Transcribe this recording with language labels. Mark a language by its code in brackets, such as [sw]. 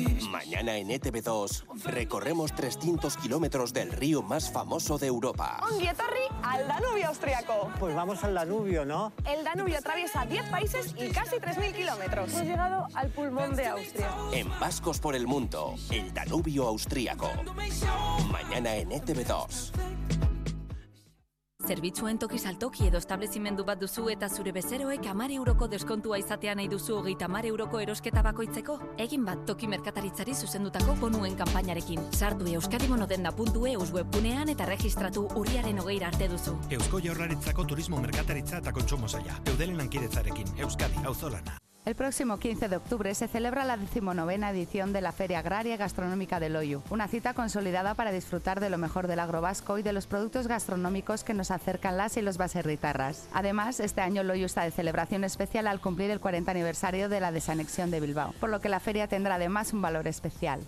[es] Mañana en ETV2 recorremos 300 kilómetros del río más famoso de Europa. [eu] Ongi etorri [es] al Danubio austriaco. Pues vamos al Danubio, ¿no? El Danubio atraviesa 10 países y casi 3.000 kilómetros. Hemos llegado al pulmón de Austria. En Vascos por el Mundo, el Danubio austriaco. Mañana en ETV2. [eu] Zerbitzuen toki saltoki edo establezimendu bat duzu eta zure bezeroek 10 euroko deskontua izatea nahi duzu 30 euroko erosketa bakoitzeko? Egin bat toki merkataritzari zuzendutako bonuen kanpainarekin. Sartu euskadimonodenda.eus webunean eta registratu urriaren 20 arte duzu. Eusko Jaurlaritzako Turismo Merkataritza eta Kontsumo Saila. Eudelen lankidetzarekin. Euskadi, auzolana. [es] El próximo 15 de octubre se celebra la 19ª edición de la Feria Agraria y Gastronómica de Loiu, una cita consolidada para disfrutar de lo mejor del agro vasco y de los productos gastronómicos que nos acercan las y los baserritarras. Además, este año Loiu está de celebración especial al cumplir el 40 aniversario de la desanexión de Bilbao, por lo que la feria tendrá además un valor especial.